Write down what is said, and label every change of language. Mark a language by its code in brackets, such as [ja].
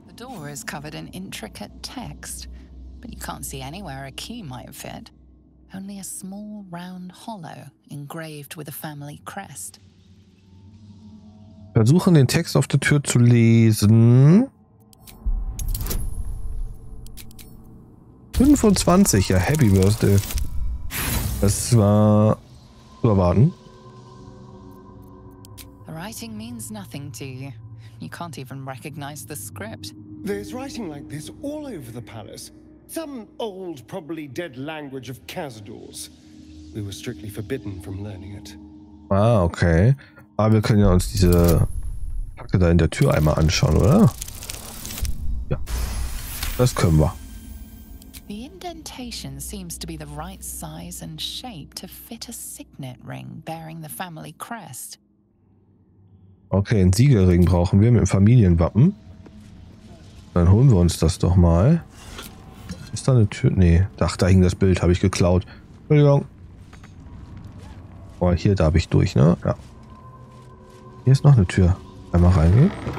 [en] The door is covered in intricate text, but you can't see anywhere a key might fit. Only a small round hollow engraved with a family crest. [de] Versuchen, den Text auf der Tür zu lesen. 25, ja, Happy Birthday. Das war zu erwarten. [en] Writing means nothing to you. You can't even recognize the script. There's writing like this all over the palace. Some old, probably dead language of Kazador's. We were strictly forbidden from learning it. Ah, okay. [de] Aber wir können ja uns diese Packe da in der Tür einmal anschauen, oder? Ja. Das können wir. [en] The indentation seems to be the right size and shape to fit a signet ring bearing the family crest. [de] Okay, einen Siegerring brauchen wir mit dem Familienwappen. Dann holen wir uns das doch mal. Ist da eine Tür? Nee. Ach, da hing das Bild, habe ich geklaut. Entschuldigung. Boah, hier darf ich durch, ne? Ja. Hier ist noch eine Tür. Einmal reingehen.